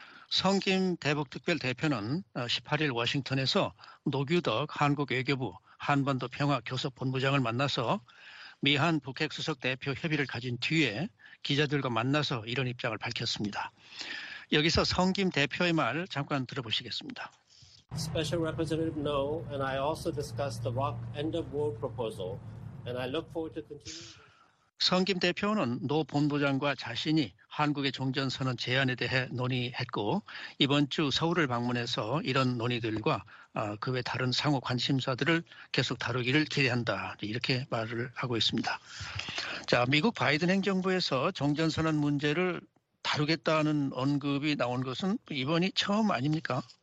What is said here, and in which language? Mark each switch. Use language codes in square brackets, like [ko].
[ko] 성김 대북특별대표는 18일 워싱턴에서 노규덕 한국외교부 한반도평화교섭본부장을 만나서 미한 북핵수석대표 협의를 가진 뒤에 기자들과 만나서 이런 입장을 밝혔습니다. 여기서 성김 대표의 말 잠깐 들어보시겠습니다. [en] Special Representative No and I also discussed the ROC end of war proposal and I look forward to continuing. [ko] 성김 대표는 노 본부장과 자신이 한국의 종전선언 제안에 대해 논의했고 이번 주 서울을 방문해서 이런 논의들과 그 외 다른 상호 관심사들을 계속 다루기를 기대한다 이렇게 말을 하고 있습니다. 자, 미국 바이든 행정부에서 종전선언 문제를 다루겠다는 언급이 나온 것은 이번이 처음 아닙니까?